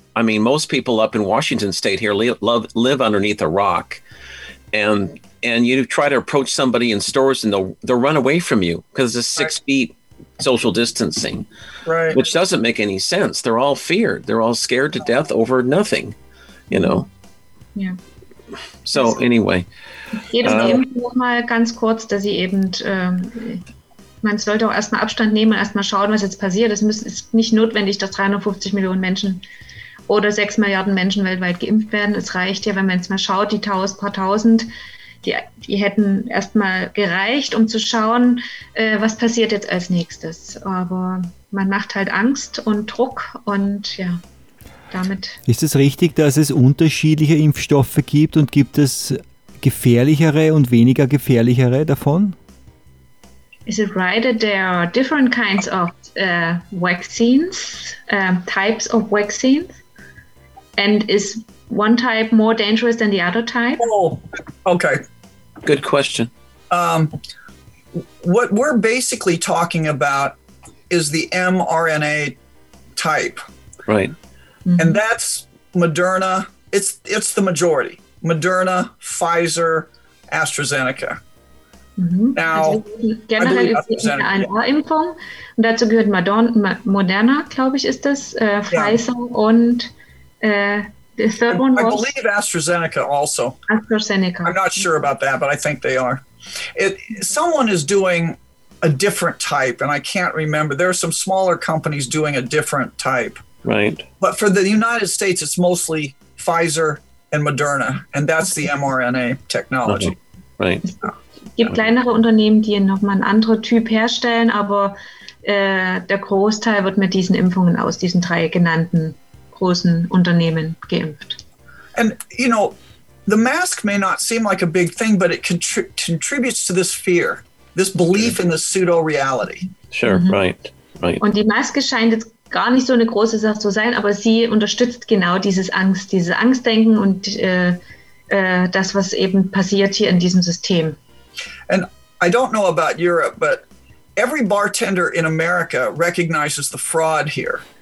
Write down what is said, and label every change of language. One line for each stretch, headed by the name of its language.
English: I mean, most people up in Washington state here live underneath a rock, and you try to approach somebody in stores and they'll run away from you because it's 6 feet social distancing, right? Which doesn't make any sense. They're all feared. They're all scared to death over nothing, you know? Yeah. So anyway.
German: Geht es eben nur mal ganz kurz, dass sie eben, man sollte auch erstmal Abstand nehmen und erstmal schauen, was jetzt passiert. Es ist nicht notwendig, dass 350 Millionen Menschen oder 6 Milliarden Menschen weltweit geimpft werden. Es reicht ja, wenn man jetzt mal schaut, die paar tausend, die hätten erstmal gereicht, um zu schauen, was passiert jetzt als nächstes. Aber man macht halt Angst und Druck und ja. Damit. Ist es richtig, dass es unterschiedliche Impfstoffe gibt und gibt es gefährlichere und weniger gefährlichere davon?
English: Is it right that there are different kinds of vaccines, types of vaccines? And is one type more dangerous than the other type? Oh, okay. Good question. What we're basically talking about is the mRNA type. Right. Mm-hmm. And that's Moderna. It's the majority. Moderna, Pfizer, AstraZeneca. Mm-hmm. Now,
German: generell mRNA-Impfung. Und dazu gehört Moderna, glaube ich, ist das.
English: Pfizer und the third one was. I believe AstraZeneca also. AstraZeneca. I'm not sure about that, but I think they are. Someone is doing a different type, and I can't remember. There are some smaller companies doing a different type. Right. But for the United States, it's mostly Pfizer and Moderna, and that's the mRNA technology. Okay. Right.
German: Es gibt kleinere Unternehmen, die nochmal einen anderen Typ herstellen, aber der Großteil wird mit diesen Impfungen aus diesen drei genannten großen Unternehmen geimpft.
English: And, you know, the mask may not seem like a big thing, but it contributes to this fear, this belief in the pseudo-reality. Sure, mm-hmm. Right.
German: Und die Maske scheint jetzt gar nicht so eine große Sache zu sein, aber sie unterstützt genau dieses Angstdenken und das, was eben passiert hier in diesem System.
English: And I don't know about Europe, but every bartender in America recognizes the fraud here.